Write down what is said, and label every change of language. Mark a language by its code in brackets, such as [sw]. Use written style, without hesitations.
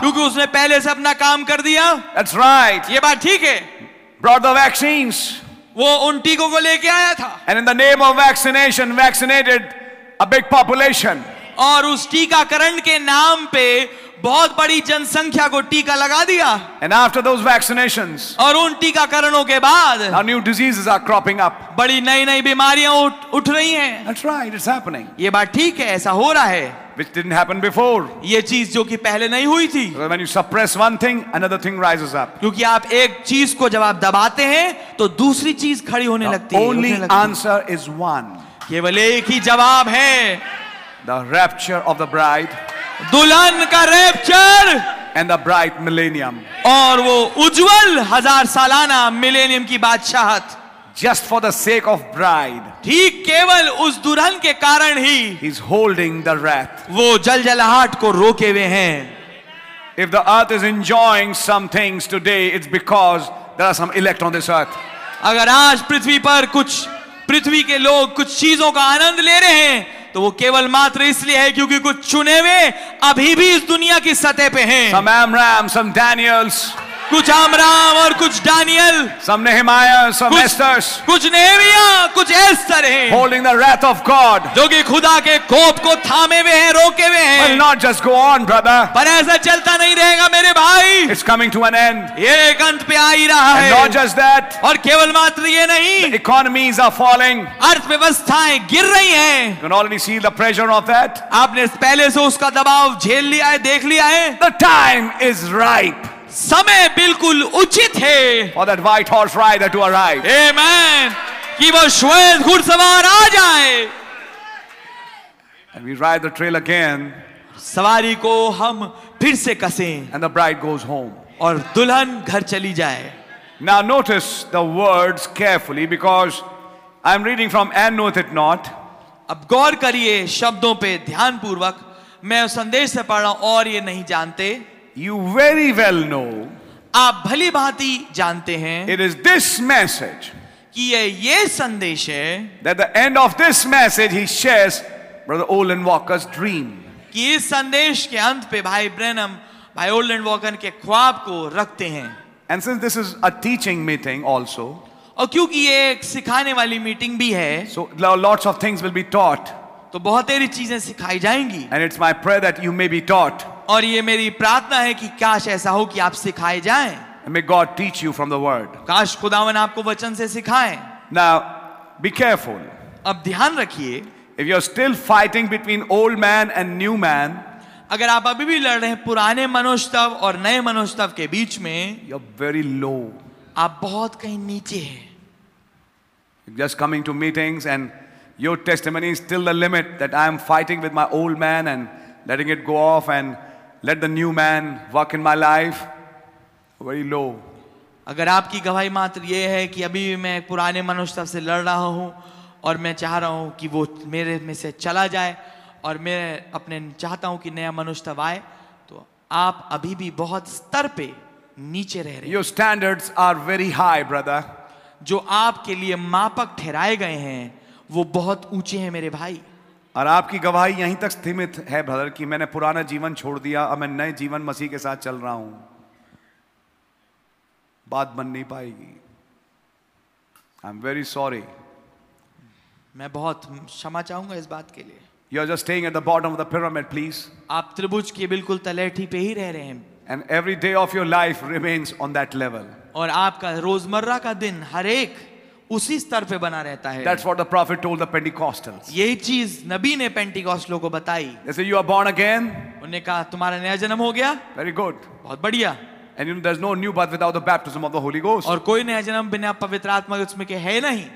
[hi] क्योंकि उसने पहले से अपना काम कर दिया. [en] That's right. [hi] ये बात ठीक है. [en] Brought the vaccines. [hi] वो उन टीकों को लेके आया था. [en] And in the name of vaccination, vaccinated a big population. [hi] और उस टीकाकरण के नाम पे बहुत बड़ी जनसंख्या को टीका लगा दिया. [en] And after those vaccinations, [hi] और उन टीकाकरणों के बाद, [en] now new diseases are cropping up. [hi] बड़ी नई बीमारियां उठ रही हैं. [en] That's right, it's happening. [hi] ये बात ठीक है, ऐसा हो रहा है. [en] Which didn't happen before. [hi] ये चीज जो कि पहले नहीं हुई थी. [en] So when you suppress one thing, another thing rises up. [hi] क्योंकि आप एक चीज को जब आप दबाते हैं तो दूसरी चीज खड़ी होने लगती [en] है. Only answer is one. [hi] केवल एक ही जवाब है. [en] The rapture of the bride. [hi] दुल्हन का rapture. [en] And the bright millennium. [hi] और वो उज्जवल हजार सालाना मिलेनियम की बादशाहत. [en] Just for the sake of bride. [hi] ठीक केवल उस दुल्हन के कारण ही. [en] He's holding the wrath. [hi] वो जल जलाहट को रोके हुए हैं. [en] If the earth is enjoying some things today, it's because there are some elect on this earth. [hi] अगर आज पृथ्वी पर कुछ पृथ्वी के लोग कुछ चीजों का आनंद ले रहे हैं तो वो केवल मात्र इसलिए है क्योंकि कुछ चुने हुए अभी भी इस दुनिया की सतह पे हैं. [en] Some Amram, some Daniels. [hi] कुछ आमराम और कुछ Daniel. [en] Some Nehemiah, some Esthers. [hi] कुछ नेहमिया, कुछ एस्थर हैं. [en] Holding the wrath of God. [hi] जो कि खुदा के कोप को थामे हुए हैं, रोके हुए हैं. [en] Will not just go on, brother. [hi] पर ऐसा चलता नहीं रहेगा मेरे भाई. [en] It's coming to an end. [hi] ये एक अंत पे आ ही रहा है. [en] And not just that. [hi] और केवल मात्र ये नहीं. [en] The economies are falling. [hi] अर्थव्यवस्थाएं गिर रही है. [en] You can already see the pressure of that. [hi] आपने पहले से उसका दबाव झेल लिया है, देख लिया है. [en] The time is ripe. [hi] समय बिल्कुल उचित है. [en] For that white horse rider to arrive. [hi] Amen. कि वो श्वेत घुड़सवार आ जाए. [en] And we ride the trail again. [hi] सवारी को हम फिर से कसें. [en] And the bride goes home. [hi] और दुल्हन घर चली जाए. [en] Now notice the words carefully because I'm reading from And Knoweth It Not. [hi] अब गौर करिए शब्दों पे ध्यान पूर्वक. मैं उस संदेश से पढ़ा और ये नहीं जानते. [en] You very well know. [hi] आप भली भांति जानते हैं. [en] It is this message. [hi] कि ये संदेश है. [en] That the end of this message he shares Brother Olin Walker's dream. [hi] कि इस संदेश के अंत पे भाई ब्रैनम भाई ओलन वॉकर के ख्वाब को रखते हैं. [en] And since this is a teaching meeting also. [hi] और क्योंकि ये एक सिखाने वाली मीटिंग भी है. [en] So lots of things will be taught. [hi] तो बहुत सारी चीजें सिखाई जाएंगी. [en] And it's my prayer that you may be taught. [hi] और ये मेरी प्रार्थना है कि काश ऐसा हो कि आप सिखाए जाएं. [en] May God teach you from the word. [hi] काश खुदावन आपको वचन से सिखाए. [en] Now, be careful. [hi] अब ध्यान रखिए. [en] If you're still fighting between old man and new man, [hi] अगर आप अभी भी लड़ रहे हैं पुराने मनोस्तव और नए मनोस्तव के बीच में, [en] you're very low. [hi] आप बहुत कहीं नीचे हैं. [en] Just coming to meetings and your testimony is still the limit that I am fighting with my old man and letting it go off and let the new man walk in my life very low. [hi] अगर आपकी गवाही मात्र ये है कि अभी भी मैं पुराने मनुष्यता से लड़ रहा हूँ और मैं चाह रहा हूँ कि वो मेरे में से चला जाए और मैं अपने चाहता हूँ कि नया मनुष्यता आए, तो आप अभी भी बहुत स्तर पे नीचे रह रहे हैं. [en] Your standards are very high, brother. [hi] जो आपके लिए मापक ठहराए गए हैं वो बहुत ऊंचे हैं मेरे भाई. और आपकी गवाही यहीं तक सीमित है ब्रदर कि मैंने पुराना जीवन छोड़ दिया और मैं नए जीवन मसीह के साथ चल रहा हूं. बात बन नहीं पाएगी. [en] I am very sorry. [hi] मैं बहुत क्षमा चाहूंगा इस बात के लिए. [en] You are just staying at the bottom of the pyramid please. [hi] आप त्रिभुज के बिल्कुल तलहटी पे ही रह रहे हैं. [en] And every day of your life remains on that level. [hi] और आपका रोजमर्रा का दिन हर एक उसी स्तर पे बना रहता है. [en] That's what the prophet told the Pentecostals. [hi] यही चीज नबी ने पेंटिकॉस्टलों को बताई. [en] They say, you are born again. [hi] उन्हें कहा तुम्हारा नया जन्म हो गया. [en] Very good. [hi] बहुत बढ़िया. [en] And you know, there's no new birth without the baptism of the Holy Ghost. [hi] और कोई नया जन्म बिना पवित्र आत्मा उसमें के है नहीं.